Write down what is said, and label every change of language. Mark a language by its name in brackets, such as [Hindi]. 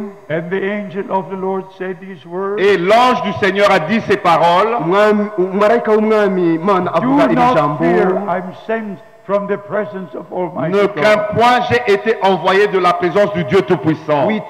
[English] And the angel of the Lord said these words. [French] Et l'ange du Seigneur a dit ces paroles. [English] Do not fear, I'm sent from the presence of Almighty God. [French] Ne crains point, j'ai été envoyé de la présence du Dieu Tout-Puissant.